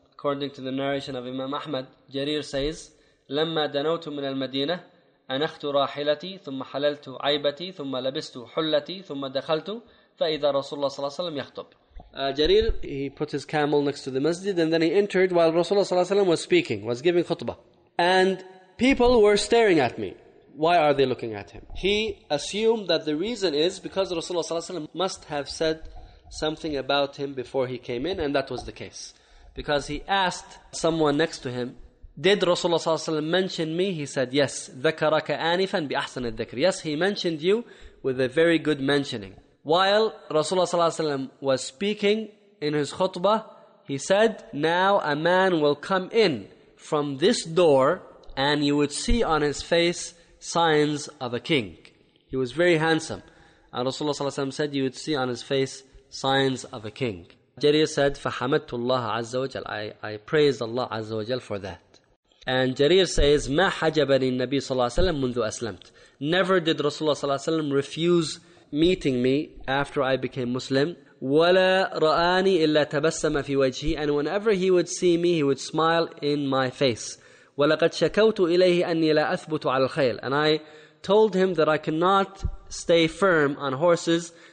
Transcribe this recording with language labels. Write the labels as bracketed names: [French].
[English] According to the narration of Imam Ahmad, Jarir says, [Arabic] لَمَّا دَنَوْتُ مِنَ الْمَدِينَةِ أَنَخْتُ رَاحِلَتِي ثُمَّ حَلَلْتُ عَيْبَتِي ثُمَّ لَبِسْتُ حُلَّتِي ثُمَّ دَخَلْتُ فَإِذَا Rasulullah ﷺ يَخْطُبْ. [English] Jarir, he put his camel next to the masjid, and then he entered while Rasulullah ﷺ was speaking, was giving khutbah. And people were staring at me. Why are they looking at him? He assumed that the reason is because Rasulullah ﷺ must have said something about him before he came in, and that was the case. Because he asked someone next to him, did Rasulullah ﷺ mention me? He said, yes. [Arabic] ذَكَرَكَ آنِفًا بِأَحْسَنِ الذِّكْرِ. [English] Yes, he mentioned you with a very good mentioning. While Rasulullah ﷺ was speaking in his khutbah, he said, now a man will come in from this door and you would see on his face signs of a king. He was very handsome. And Rasulullah ﷺ said, you would see on his face signs of a king. Jarir said, [Arabic] فَحَمَدْتُ اللَّهَ عَزَّ وَجَلَ. [English] I praised Allah عَزَّ وَجَلَ for that. And Jarir says, [Arabic] مَا حَجَبَنِي النَّبِي صَلَّى اللَّهُ عَلَيْهِ وَسَلَّمَ مُنْذُ أَسْلَمْتُ. [English] Never did Rasulullah ﷺ refuse meeting me after I became Muslim. [Arabic] وَلَا رَآنِي إِلَّا تَبَسَّمَ فِي وَجْهِ. [English] And whenever he would see me, he would smile in my face. [Arabic] وَلَقَدْ شَكَوْتُ إِلَيْهِ أَنِّي لَا أَثْبُتُ عَلَى الْخَيْلِ. [English] And I told him that I cannot stay firm on horses.